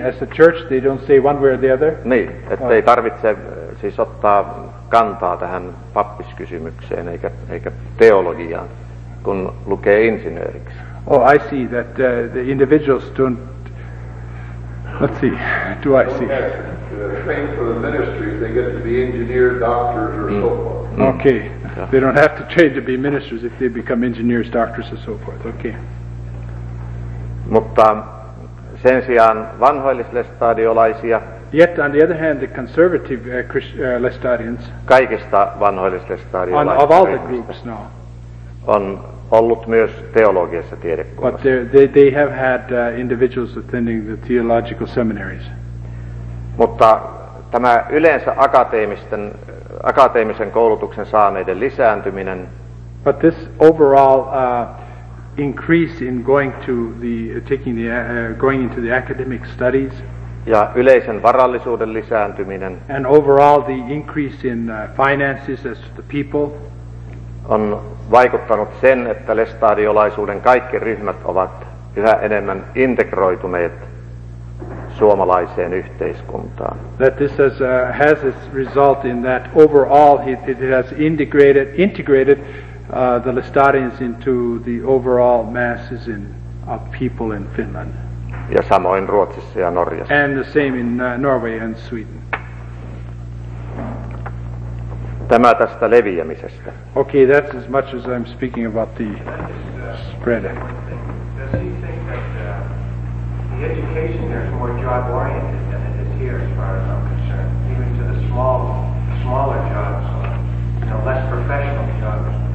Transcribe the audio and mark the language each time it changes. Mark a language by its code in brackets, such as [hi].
[en] As a church, they don't say one way or the other. [fi] Niin, ettei tarvitse siis ottaa kantaa tähän pappiskysymykseen eikä teologiaan, kun lukee insinööriksi. [en] Oh, I see that the individuals don't. Let's see. Do I see? Trained for the ministry, they get to be engineers, doctors, or so forth. Okay. They don't have to train to be ministers if they become engineers, doctors, and so forth. Okay. [fi] Mutta sen sijaan vanhoillislestadiolaisia. [en] Yet on the other hand, the conservative Lestadians. [fi] Kaikista vanhoillislestadiolaisista. [en] Of all the groups now. [fi] On ollut myös teologiassa tiedekunnassa. [en] But they have had individuals attending the theological seminaries. [fi] Mutta tämä yleensä akateemisen koulutuksen saaneiden lisääntyminen. [en] But this overall increase in going to the taking the going into the academic studies. [fi] Ja yleisen varallisuuden lisääntyminen. [en] And overall the increase in finances as to the people. [fi] On vaikuttanut sen, että lestadiolaisuuden kaikki ryhmät ovat yhä enemmän integroituneet suomalaiseen yhteiskuntaan. [en] That this has its result in that overall it has integrated the Lestadians into the overall masses of people in Finland. [fi] Ja samoin Ruotsissa ja Norjassa. [en] And the same in Norway and Sweden. [fi] Tämä tästä leviämisestä. [en] Okay, that's as much as I'm speaking about the spread. Does he think that the education there is more job-oriented than it is here, as far as I'm concerned, even to the smaller jobs, less professional jobs?